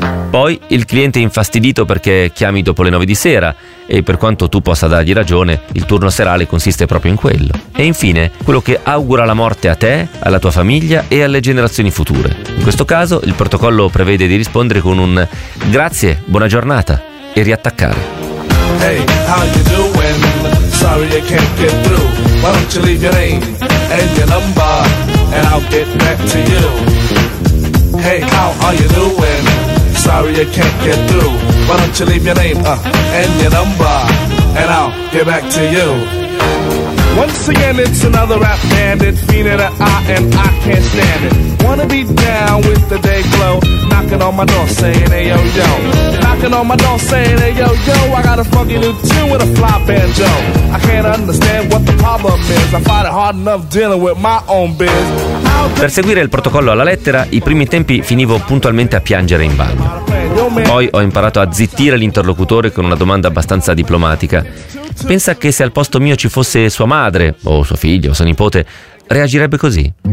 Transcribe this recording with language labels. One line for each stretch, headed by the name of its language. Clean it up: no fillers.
Italian: Poi il cliente è infastidito perché chiami dopo le 9 di sera e per quanto tu possa dargli ragione, il turno serale consiste proprio in quello. E infine, quello che augura la morte a te, alla tua famiglia e alle generazioni future. In questo caso il protocollo prevede di rispondere con un grazie, buona giornata e riattaccare.
English: Hey, how you doing? Sorry you can't get through. Why don't you leave your name and your number and I'll get back to you. Hey, how are you doing? Sorry you can't get through. Why don't you leave your name and your number and I'll get back to you. Once again it's another rap bandit feeling that I am, I can't stand it. Wanna be down with the day glow. Knocking on my door saying hey yo yo. Knocking on my door saying hey yo yo. I got a funky new tune with a fly banjo. I can't understand what the problem is. I find it hard enough dealing with my own biz.
Italian: Per seguire il protocollo alla lettera, i primi tempi finivo puntualmente a piangere in bagno. Poi ho imparato a zittire l'interlocutore con una domanda abbastanza diplomatica. Pensa che se al posto mio ci fosse sua madre, o suo figlio, o suo nipote, reagirebbe così?